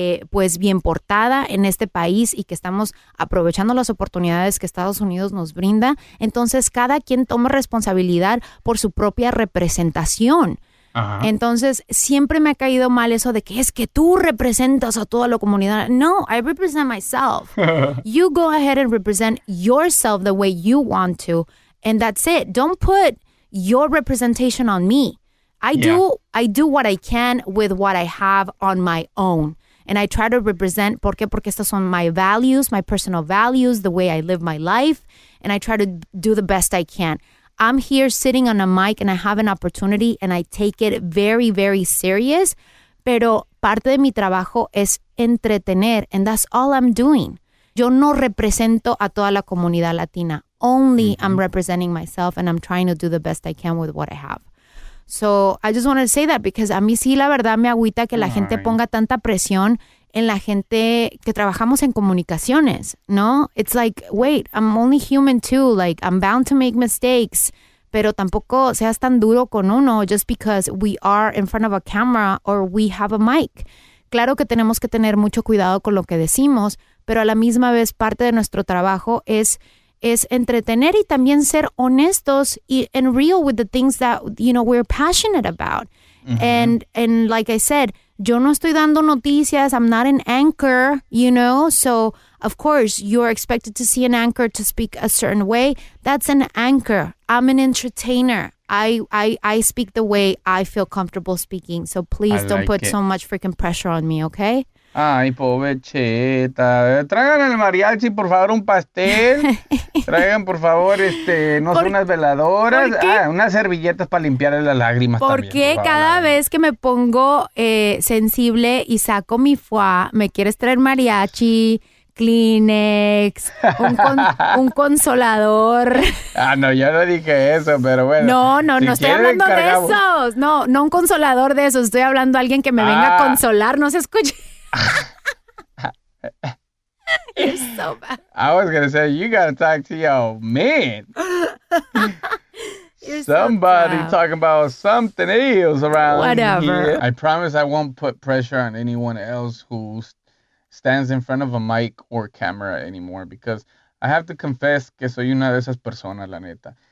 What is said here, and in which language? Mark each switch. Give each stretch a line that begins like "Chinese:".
Spanish: pues bien portada en este país y que estamos aprovechando las oportunidades que Estados Unidos nos brinda, entonces cada quien toma responsabilidad por su propia representación. Ajá. Entonces siempre me ha caído mal eso de que es que tú representas a toda la comunidad.
English: No, I represent myself. You go ahead and represent yourself the way you want to, and that's it. Don't put your representation on me. I do what I can with what I have on my own. And I try to represent,
Spanish: ¿por qué? Porque estos son
English: my values, my personal values, the way I live my life. And I try to do the best I can. I'm here sitting on a mic and I have an opportunity and I take it very, very serious.
Spanish: Pero parte de mi trabajo es entretener,
English: and that's all I'm doing.
Spanish: Yo no represento a toda la comunidad latina.
English: Only I'm representing myself and I'm trying to do the best I can with what I have. So I just wanted to say that because
Spanish: a mí sí, la verdad, me agüita que la gente ponga tanta presión en la gente que trabajamos en comunicaciones, ¿no?
English: It's like, wait, I'm only human too. Like, I'm bound to make mistakes.
Spanish: Pero tampoco seas tan duro con uno
English: just because we are in front of a camera or we have a mic.
Spanish: Claro que tenemos que tener mucho cuidado con lo que decimos, pero a la misma vez parte de nuestro trabajo es entretener y también ser honestos
English: and real with the things that, you know, we're passionate about. Mm-hmm. And like I said,
Spanish: yo no estoy dando noticias,
English: I'm not an anchor, you know? So, of course, you're expected to see an anchor to speak a certain way. That's an anchor. I'm an entertainer. I speak the way I feel comfortable speaking. So please don't put so much freaking pressure on me, okay?
Spanish: Ay, pobre Cheta. Traigan el mariachi, por favor, un pastel. Traigan, por favor, no sé, unas veladoras. Unas servilletas para limpiar las lágrimas. ¿Por también, qué por favor, cada vez que me pongo sensible y saco mi foie, me quieres traer mariachi, Kleenex, un consolador? Ah, no, yo no dije eso, pero bueno. No estoy hablando de esos. No un consolador de esos. Estoy hablando a alguien que me venga a consolar. No se escuche.
English: You're so bad. I was gonna say, you gotta talk to your man. Somebody so talking about something else around whatever here. I promise I won't put pressure on anyone else who stands in front of a mic or camera anymore, because I have to confess
Spanish: que soy una de esas personas, la neta.